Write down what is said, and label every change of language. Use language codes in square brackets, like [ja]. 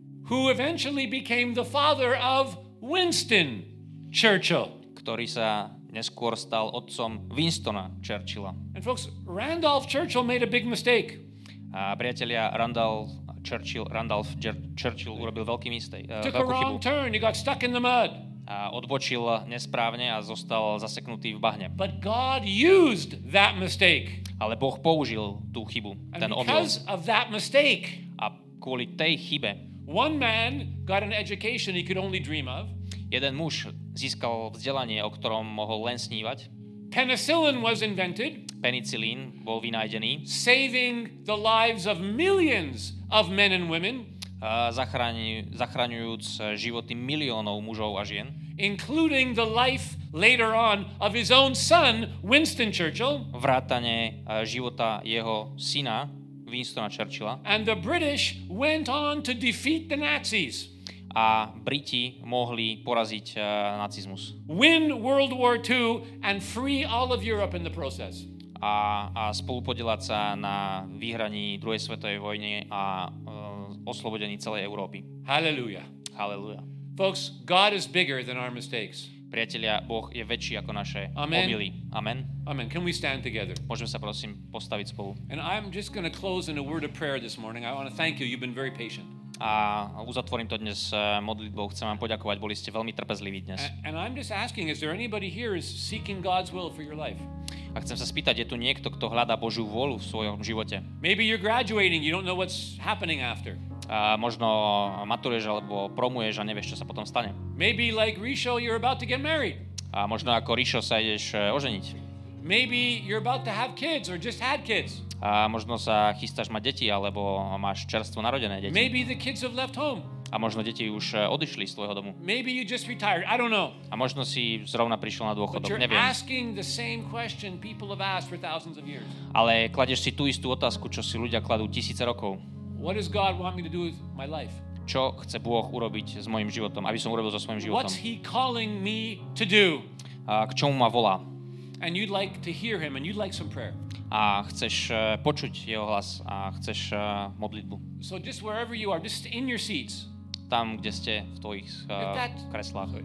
[en] Who eventually became the father of Winston Churchill. [sk] Ktorý sa neskôr stal otcom Winstona Churchilla. [en] And folks, Randolph Churchill made a big mistake. [sk] A priatelia, Randolph Churchill urobil veľký [en] took a wrong [sk] chybu. [en] Turn, he got stuck in the mud. [sk] A odbočil nesprávne a zostal zaseknutý v bahne. [en] But God used that mistake. [sk] Ale Boh použil tú chybu, [en] and [sk] ten omyl. [en] Because of that mistake, [sk] a kvôli tej chybe, [en] one man got an education he could only dream of. [sk] Jeden muž získal vzdelanie, o ktorom mohol len snívať. [en] Penicillin was invented. [sk] Penicilín bol vynájdený. [en] Saving the lives of millions of men and women. [sk] Zachraňujúc životy miliónov mužov a žien. [en] Including the life later on of his own son, Winston Churchill. [sk] Vrátane života jeho syna, Winstona Churchilla. [en] And the British went on to defeat the Nazis. [sk] A Briti mohli poraziť nacizmus. [en] Win World War II and free all of Europe in the process. [sk] A spolupodielať sa na vyhraní druhej svetovej vojny a oslobodení celej Európy. [en] Hallelujah. Hallelujah. Folks, God is bigger than our mistakes. [sk] Priatelia, Boh je väčší ako naše omily. [en] Amen. Amen. Can we stand together? [sk] Môžeme sa prosím postaviť spolu. [en] And I'm just going to close in a word of prayer this morning. I want to thank you. You've been very patient. [sk] A uzatvorím to dnes modlitbou. Chcem vám poďakovať. Boli ste veľmi trpezliví dnes. [en] And I'm just asking, is there anybody here is seeking God's will for your life? [sk] A chcem sa spýtať, je tu niekto, kto hľadá Božiu vôľu v svojom živote? [en] Maybe you're graduating, you don't know what's happening after. [sk] A možno maturuješ alebo promuješ a nevieš, čo sa potom stane. [en] Maybe like Risho, you're about to get married. [sk] A možno ako Risho sa ideš oženiť. [en] Maybe you're about to have kids or just had kids. [sk] A možno sa chystáš mať deti alebo máš čerstvo narodené deti. [en] Maybe the kids have left home. [sk] A možno deti už odišli z tvojho domu. [en] Maybe you just retired. I don't know. [sk] A možno si zrovna prišiel na dôchodok, neviem. [en] But you're asking the same question people have asked for thousands of years. [sk] Ale kladeš si tú istú otázku, čo si ľudia kladú tisíce rokov. [en] What does God want me to do with my life? [sk] Čo chce Boh urobiť s mojim životom, aby som urobil so svojím životom? [en] What's he calling me to do? [sk] A k čomu ma volá? [en] And you'd like to hear him and you'd like some prayer. [sk] A chceš počuť jeho hlas a chceš modlitbu. [en] So just wherever you are, just in your seats. [sk] Tam, kde ste, v tvojich kreslách.